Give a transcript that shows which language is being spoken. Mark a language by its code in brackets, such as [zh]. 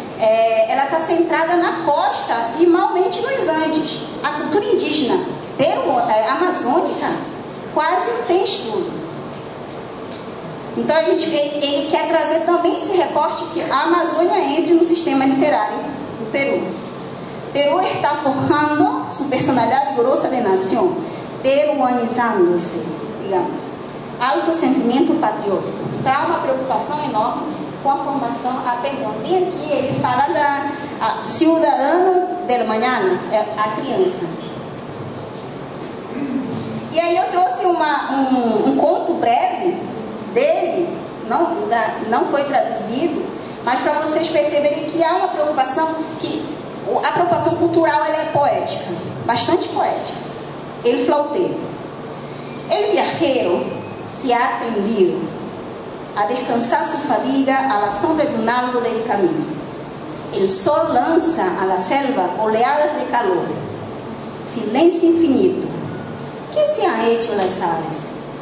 [pt] ela está centrada na costa e malmente nos Andes. A cultura indígena amazônica quase não tem estudo. Então, ele quer trazer também esse recorte que a Amazônia entre no sistema literário do Peru. [es] Peru está forjando su personalidad vigorosa de nación, [pt] peruanizando-se, digamos. [es] Alto sentimiento patriótico. [pt] Está uma preocupação enorme com a formação, e aqui ele fala da [es] ciudadana del mañana, [pt] a criança. E aí eu trouxe um conto breve dele, não foi traduzido, mas para vocês perceberem que há uma preocupação, que a preocupação cultural ela é poética, bastante poética. [es] El flauteiro. El viajero se ha atendido a descansar su fadiga a la sombra de un árbol del camino. El sol lanza a la selva oleadas de calor. Silencio infinito. ¿Qué se ha hecho las aves?